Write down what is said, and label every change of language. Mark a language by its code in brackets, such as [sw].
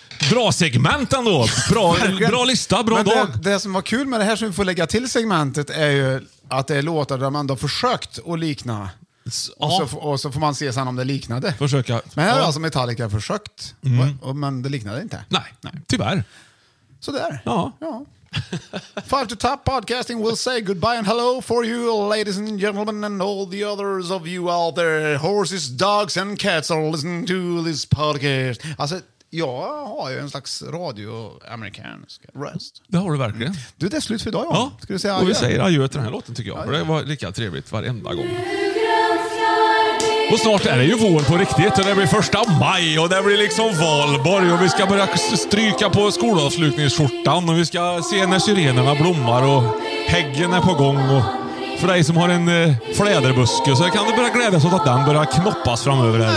[sv] Bra segment ändå. Bra lista, bra men dag. Det som var kul med det här som vi får lägga till segmentet är ju att det är låtar där man då försökt att likna. Och så får man se sen om det liknade. Försöka. Men här har alltså Metallica försökt, men det liknade inte. Nej, tyvärr. Sådär. Ja. Ja. [en] Five to Top Podcasting will say goodbye and hello for you, ladies and gentlemen, and all the others of you out there. Horses, dogs and cats are listening to this podcast. [sv] Alltså, jag har ju en slags radioamerikansk röst. Det har du verkligen. Du, det är slut för idag, ja. Ska du säga adjö? Och vi säger adjö till den här låten, tycker jag. Adjö. Det var lika trevligt varenda gång. Och snart är det ju vår på riktigt, och det blir första maj och det blir liksom valborg och vi ska börja stryka på skolavslutningsskjortan och vi ska se när syrenerna blommar och häggen är på gång, och för dig som har en fläderbuske så kan du börja glädjas åt att den börjar knoppas framöver.